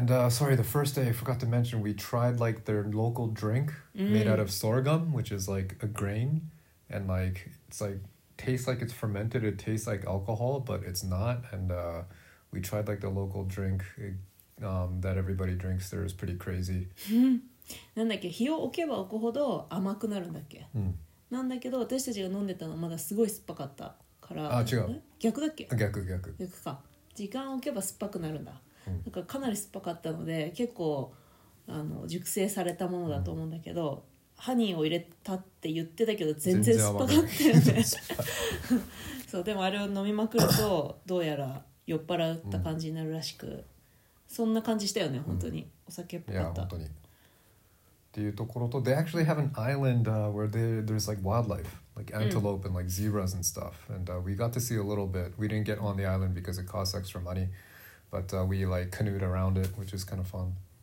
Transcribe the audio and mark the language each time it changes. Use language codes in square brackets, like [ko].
[en] Sorry, the first day I forgot to mention, we tried like their local drink made out of sorghum, which is like a grain. And like, it's like, tastes like it's fermented. It tastes like alcohol, but it's not. And we tried like the local drink that everybody drinks there. It's pretty crazy. [ja] なんだっけ、火を置けば置くほど甘くなるんだっけ、うん、なんだけど私たちが飲んでたのはまだすごい酸っぱかったから、あ、違う、逆だっけ、逆逆か、時間を置けば酸っぱくなるんだ、なんかかなり酸っぱかったので結構あの熟成されたものだと思うんだけど、ハニーを入れたって言ってたけど全然酸っぱかったよねそう、でもあれを飲みまくるとどうやら酔っ払った感じになるらしく、そんな感じしたよね、本当に、お酒っぽかった、 [en] いや本当にっていうところと、 they actually have an island where there's like wildlife, like antelope and like zebras and stuff. And we got to see a little bit. We didn't get on the island because it costs extra money, but we like canoed around it, which is kind of fun.